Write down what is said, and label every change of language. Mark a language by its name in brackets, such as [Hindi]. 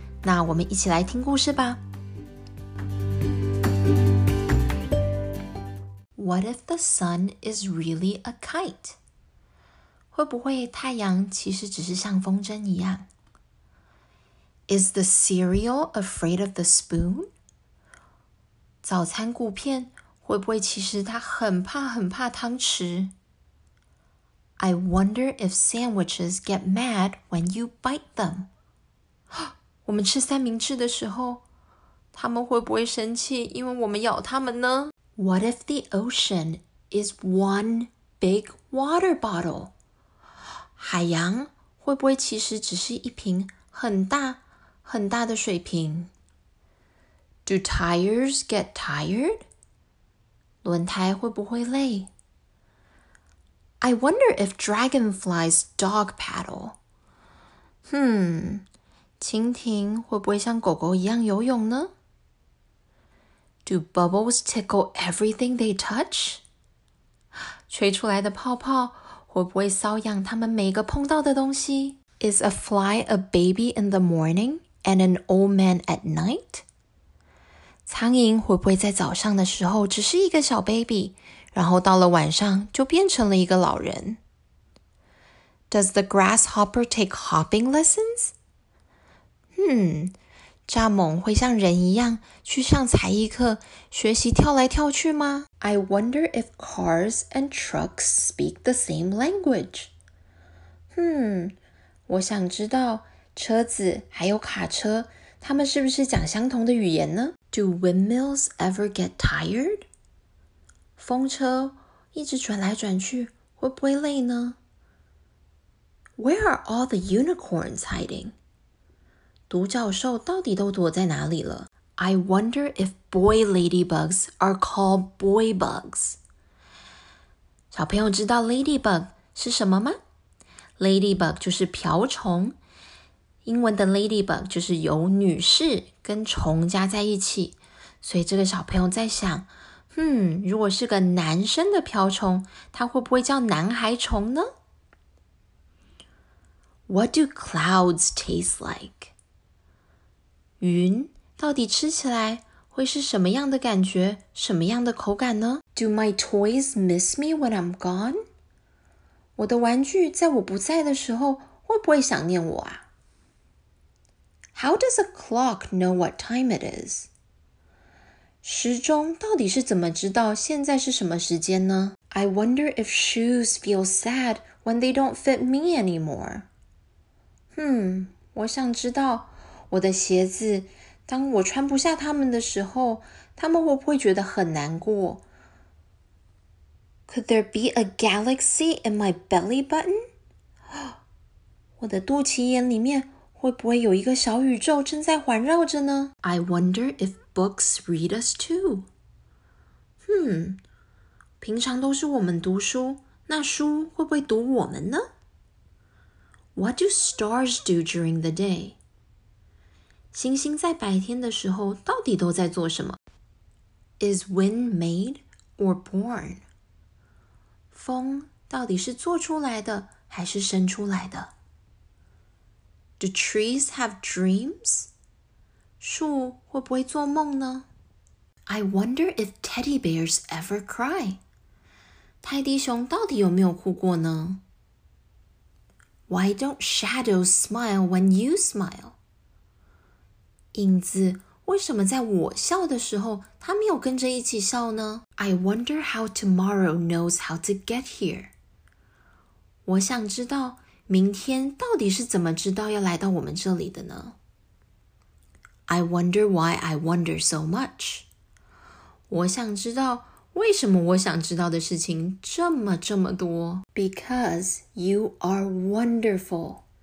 [Chinese] 那我们一起来听故事吧。 [English] What if the sun is really a kite? [Chinese] 会不会太阳其实只是像风筝一样？ [English] Is the cereal afraid of the spoon? [Chinese] 早餐谷片会不会其实它很怕很怕汤匙？ [English] I wonder if sandwiches get mad when you bite them. [Chinese] 我们吃三明治的时候，他们会不会生气因为我们咬他们呢？ [English] What if the ocean is one big water bottle? [Chinese] 海洋会不会其实只是一瓶很大很大的水瓶？ [English] Do tires get tired? [Chinese] 轮胎会不会累？ [English] I wonder if dragonflies dog paddle. [Chinese] 蜻蜓会不会像狗狗一样游泳呢？ [English] Do bubbles tickle everything they touch? [Chinese] 吹出来的泡泡会不会搔痒他们每个碰到的东西？ [English] Is a fly a baby in the morning and an old man at night? [Chinese] 苍蝇会不会在早上的时候只是一个小 baby, 然后到了晚上就变成了一个老人？ [English] Does the grasshopper take hopping lessons? [Chinese] 蚱蜢会像人一样去上才艺课学习跳来跳去吗？ [English] I wonder if cars and trucks speak the same language. [Chinese] 我想知道车子还有卡车他们是不是讲相同的语言呢？ [English] Do windmills ever get tired? [Chinese] 风车一直转来转去会不会累呢？ [English] Where are all the unicorns hiding? [Chinese] 独角兽到底都躲在哪里了？ [English] I wonder if boy ladybugs are called boy bugs. [Chinese] 小朋友知道 ladybug 是什么吗？Ladybug 就是瓢虫，英文的 ladybug 就是由女士跟虫加在一起，所以这个小朋友在想，如果是个男生的瓢虫，他会不会叫男孩虫呢？ [English] What do clouds taste like? [Chinese] 云到底吃起来会是什么样的感觉，什么样的口感呢？ [English] Do my toys miss me when I'm gone? [Chinese] 我的玩具在我不在的时候会不会想念我啊？ [English] How does a clock know what time it is? [Chinese] 时钟到底是怎么知道现在是什么时间呢？ [English] I wonder if shoes feel sad when they don't fit me anymore. [Chinese] 我想知道我的鞋子当我穿不下它们的时候它们会不会觉得很难过？ [English] Could there be a galaxy in my belly button? [Chinese] 我的肚脐眼里面会不会有一个小宇宙正在环绕着呢？ [English] I wonder if books read us too. [Chinese] 平常都是我们读书，那书会不会读我们呢？ [English] What do stars do during the day? [Chinese] 星星在白天的时候到底都在做什么？ [English] Is wind made or born? [Chinese] 风到底是做出来的还是生出来的？ [English] Do trees have dreams? [Chinese] 树会不会做梦呢？ [English] I wonder if teddy bears ever cry? [Chinese] 泰迪熊到底有没有哭过呢？ [English] Why don't shadows smile when you smile? [Chinese] 影子为什么在我笑的时候他没有跟着一起笑呢？ [English] I wonder how tomorrow knows how to get here. [Chinese] 我想知道明天到底是怎么知道要来到我们这里的呢？ [English] I wonder why I wonder so much. [Chinese] 我想知道为什么我想知道的事情这么这么多。 [English] Because you are wonderful.